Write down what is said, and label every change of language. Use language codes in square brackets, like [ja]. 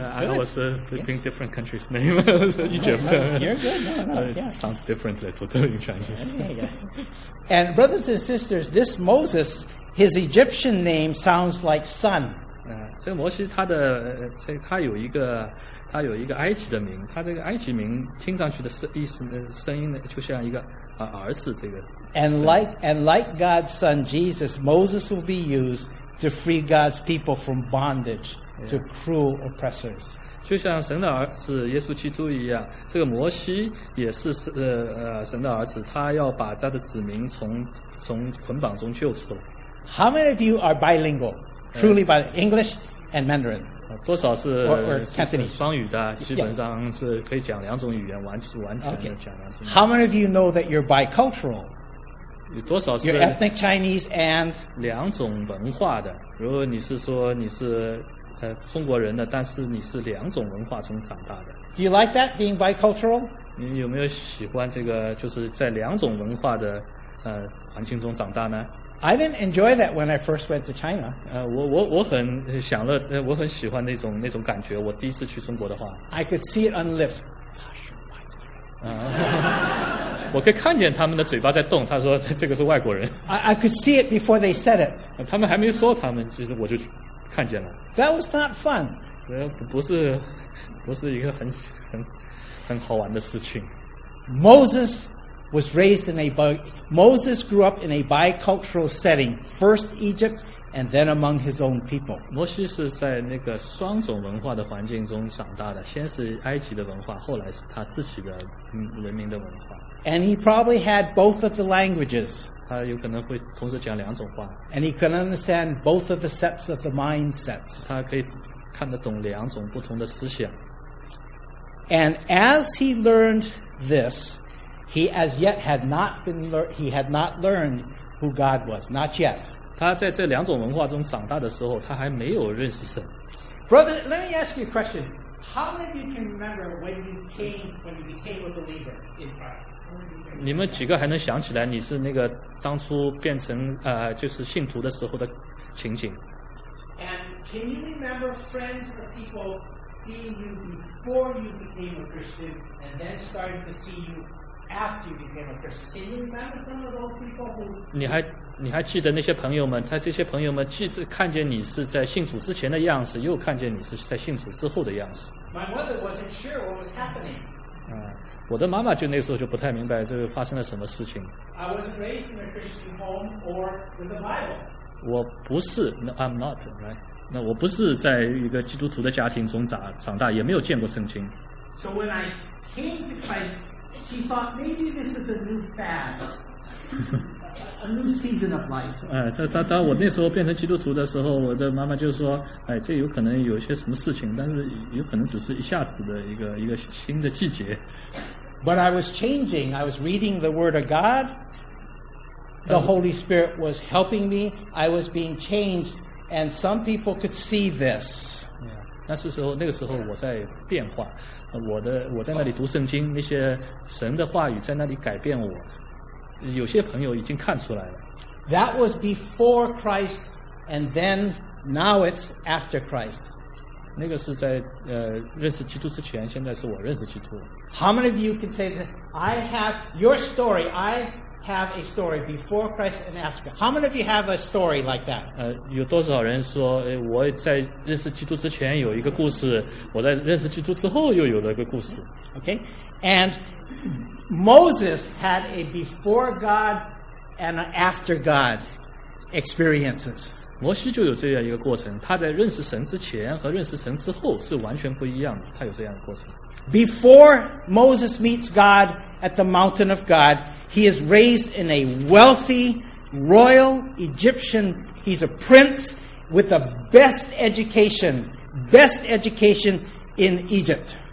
[en] I was thinking different country's name. Egypt. No, you're good. No, no. It sounds different, like, totally in Chinese. And brothers and sisters, this Moses, his Egyptian name sounds like sun. [zh] 这个摩西他有一个埃及的名，他这个埃及名听上去的声音就像一个儿子这个。 [en] And like God's son Jesus, Moses will be used to free God's people from bondage to cruel oppressors. [zh] 就像神的儿子耶稣基督一样，这个摩西也是神的儿子，他要把他的子民从捆绑中救出。 [en] How many of you are bilingual? Truly bilingual, English and Mandarin. [zh] 多少是 [en] Cantonese [zh] 双语的？基本上是可以讲两种语言，完全讲两种语言。 [en] Okay. How many of you know that you're bicultural? [zh] 多少是 [en] You're ethnic Chinese and [zh] 两种文化的。如果你是说你是中国人的，但是你是两种文化中长大的。 [en] Do you like that being bicultural? [zh] 你有没有喜欢这个，就是在两种文化的环境中长大呢？ [en] I didn't enjoy that when I first went to China. [zh] 我很享乐，我很喜欢那种感觉。我第一次去中国的话 [en] ，I could see it on the lips. [zh] 我可以看见他们的嘴巴在动，他说这个是外国人。 [en] I could see it before they said it. [zh] 他们还没说，他们就是我就看见了。 [en] That was not fun. [zh] 不是一个很好玩的事情。 [en] Moses was raised in Moses grew up in a bicultural setting, first Egypt and then among his own people. [zh] 摩西是在那个双种文化的环境中长大的，先是埃及的文化，后来是他自己的人民的文化。 [en] And he probably had both of the languages. [zh] 他有可能会同时讲两种话。 [en] And he could understand both of the sets of the mindsets. [zh] 他可以看得懂两种不同的思想。 [en] And as he learned this, he as yet had not been he had not learned who God was. Not yet. [zh] 他在这两种文化中长大的时候，他还没有认识神。 [en] Brother, let me ask you a question. How many of you can remember when you became a believer in Christ? [zh] 你们几个还能想起来你是那个当初变成就是信徒的时候的情景？ [en] And can you remember friends or people seeing you before you became a Christian and then starting to see you after you became a Christian? Can you remember some of those people who [zh] 你还记得那些朋友们，他这些朋友们既看见你是在信主之前的样子，又看见你是在信主之后的样子。 [en] My mother wasn't sure what was happening. [zh] 我的妈妈就那时候就不太明白这个发生了什么事情。 [en] I wasn't raised in a Christian home or with a Bible. [zh] 我不是 [en] no, I'm not, right? [zh] 那我不是在一个基督徒的家庭中长大，也没有见过圣经。 [en] So when I came to Christ, she thought maybe this is a new fad, a new season of life. [zh] 当我那时候变成基督徒的时候，我的妈妈就说，哎，这有可能有些什么事情，但是有可能只是一下子的一个新的季节。 [en] But I was changing. I was reading the Word of God. The Holy Spirit was helping me. I was being changed, and some people could see this. [zh] Yeah, 那个时候我在变化，我在那里读圣经，那些神的话语在那里改变我。有些朋友已经看出来了。 [en] That was before Christ, and then now it's after Christ. [zh] 那个是在认识基督之前，现在是我认识基督。 [en] How many of you can say that I have your story? I have a story before Christ and after. How many of you have a story like that? [zh] 有多少人说，我在认识基督之前有一个故事，我在认识基督之后又有了一个故事。 [en] Okay, and Moses had a before God and an after God experiences. [zh] 摩西就有这样一个过程，他在认识神之前和认识神之后是完全不一样的，他有这样的过程。 [en] Before Moses meets God at the mountain of God, he is raised in a wealthy, royal Egyptian, he's a prince with the best education in Egypt.